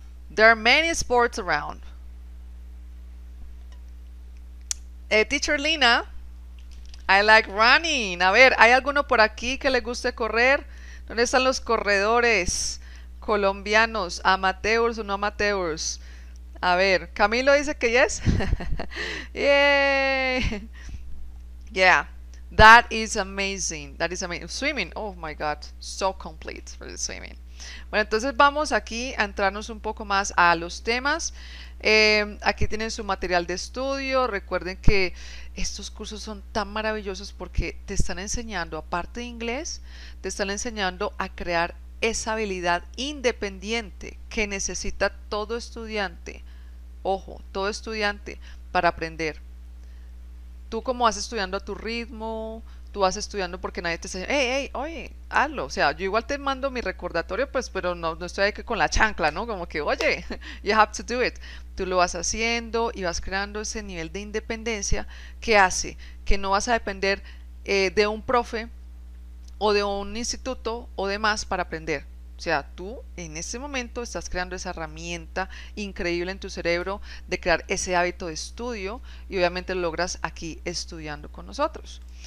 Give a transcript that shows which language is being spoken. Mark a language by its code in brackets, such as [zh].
[en] There are many sports around. [es] Teacher Lina, [en] I like running. [es] A ver, ¿hay alguno por aquí que le guste correr? ¿Dónde están los corredores? Colombianos, amateurs o no amateurs. A ver, Camilo dice que yes. [en] Yay. Yeah, that is amazing. That is amazing. Swimming, oh my God, so complete for the swimming. [es] Bueno, entonces vamos aquí a entrarnos un poco más a los temas. Aquí tienen su material de estudio. Recuerden que estos cursos son tan maravillosos porque te están enseñando, aparte de inglés, te están enseñando a crear esa habilidad independiente que necesita todo estudiante, ojo, todo estudiante para aprender. Tú como vas estudiando a tu ritmo, tú vas estudiando porque nadie te dice, hey, hey, oye, hazlo. O sea, yo igual te mando mi recordatorio, pues, pero no, no estoy ahí que con la chancla, ¿no? Como que, oye, [en] you have to do it. [es] Tú lo vas haciendo y vas creando ese nivel de independencia que hace que no vas a depender de un profe o de un instituto o demás para aprender. O sea, tú en ese momento estás creando esa herramienta increíble en tu cerebro de crear ese hábito de estudio y obviamente lo logras aquí estudiando con nosotros.